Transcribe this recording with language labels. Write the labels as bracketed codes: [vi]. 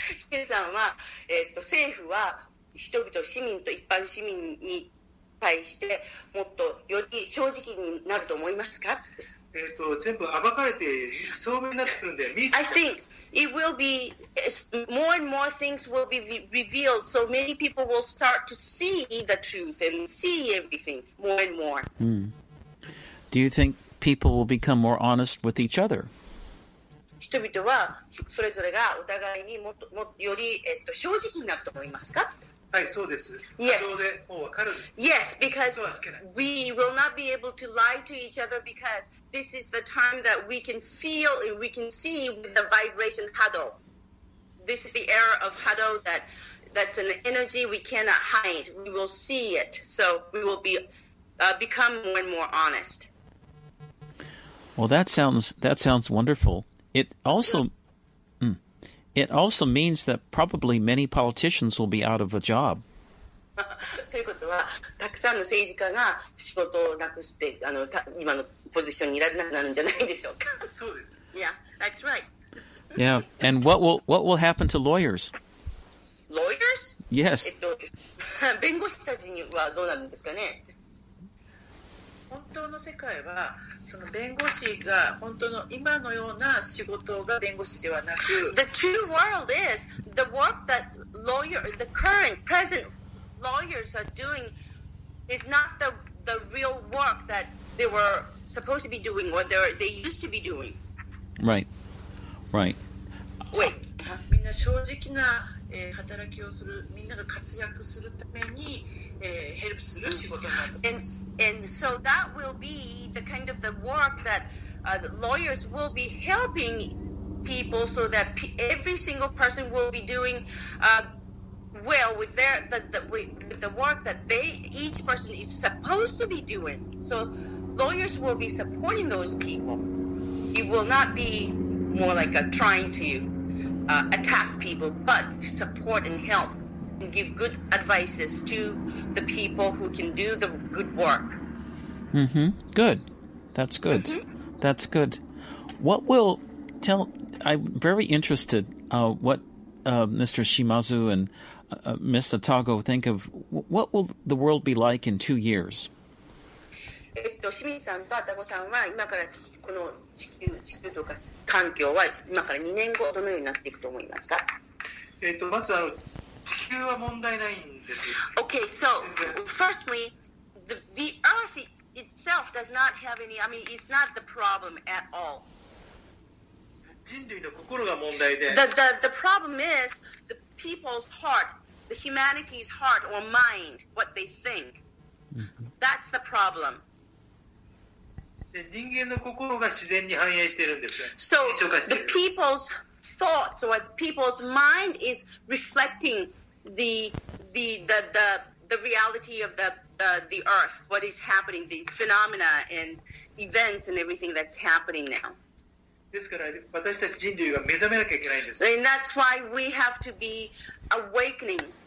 [ja] Shin-san は、政府は人々、市民と一般市民に対してもっとより正直になると思いますか？全部暴かれて聡明になってくるんで、 [en] I think it will be more and more things will be revealed, so many people will start to see the truth and see everything more and more. Do you think people will become more honest with each other? [ja] 人々はそれぞれがお互いにもっともっとより正直になると思いますか？はい、そうです。 [en] Yes. [ja] 過剰でもう分かる。 [en] Yes, because we will not be able to lie to each other because this is the time that we can feel and we can see with the vibration huddle. This is the era of huddle that's an energy we cannot hide. We will see it. So we will become more and more honest. Well, that sounds wonderful. It also means that probably many politicians will be out of a job. [ja] ということは、たくさんの政治家が仕事をなくして、今のポジションにいられなくなるんじゃないでしょうか。そうです。 [en] Yeah, that's right. Yeah, and what will happen to lawyers? Lawyers? Yes. [ja] 弁護士たちにはどうなるんですかね。本当の世界は、その弁護士が本当の今のような仕事が弁護士ではなく、 [en] The true world is the work that lawyer, the current, present lawyers are doing is not the real work that they were supposed to be doing or they used to be doing. Right, right. Wait. [ja] みんな正直な働きをする、みんなが活躍するために、ヘルプする仕事になると。 [en] And so that will be the kind of the work that the lawyers will be helping people so that every single person will be doing well with the work that they each person is supposed to be doing. So lawyers will be supporting those people. It will not be more like a trying to attack people, but support and help. And give good advices to the people who can do the good work. Mm-hmm. Good. That's good. Mm-hmm. That's good. What will tell? I'm very interested. Mr. Shimazu and Ms. Otago think of what will the world be like in 2 years? [ja] Shimin-san and Otago-san は今からこの地球とか環境は今から2年後どのようになっていくと思いますか？まずは地球は問題ないんですよ。 [en] Okay, so firstly, the Earth itself does not have any, I mean, it's not the problem at all. [ja] 人類の心が問題で。 [en] The problem is the people's heart, the humanity's heart or mind, what they think. That's the problem. [ja] で、人間の心が自然に反映しているんですよ。 [en] So the people's thoughts or the people's mind is reflectingthe reality of the earth, what is happening, the phenomena and events and everything that's happening now. And that's why we have to be awakening.